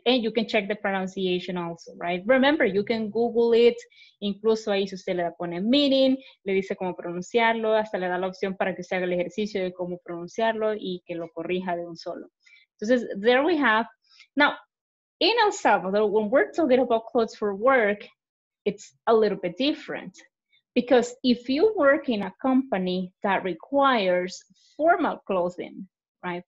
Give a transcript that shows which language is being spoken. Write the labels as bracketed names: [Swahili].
[English] And you can check the pronunciation also, right? Remember, you can Google it. [Spanish] Incluso ahí si usted le pone meaning, le dice cómo pronunciarlo, hasta le da la opción para que usted haga el ejercicio de cómo pronunciarlo y que lo corrija de un solo. [English] Entonces, there we have. Now, in El Salvador, when we're talking about clothes for work, it's a little bit different. Because if you work in a company that requires formal clothing, right?